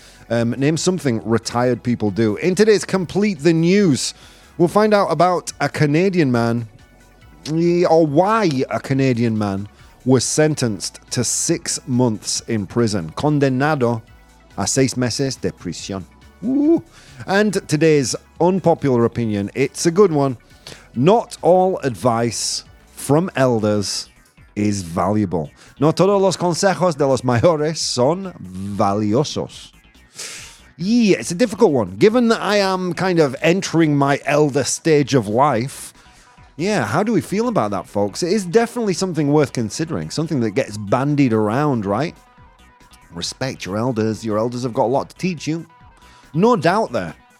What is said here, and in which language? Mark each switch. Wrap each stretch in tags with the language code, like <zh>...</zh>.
<en>Name something retired people do. In today's Complete the News, we'll find out about a Canadian man, or why a Canadian man was sentenced to 6 months in prison.</en> <es>Condenado a 6 meses de prisión. Ooh.</es> <en>And today's unpopular opinion, it's a good one. Not all advice from elders is valuable.</en> <es>No todos los consejos de los mayores son valiosos.</es> <en>Yeah, it's a difficult one. Given that I am kind of entering my elder stage of life, yeah, how do we feel about that, folks? It is definitely something worth considering, something that gets bandied around, right? Respect your elders. Your elders have got a lot to teach you. No doubt there.</en>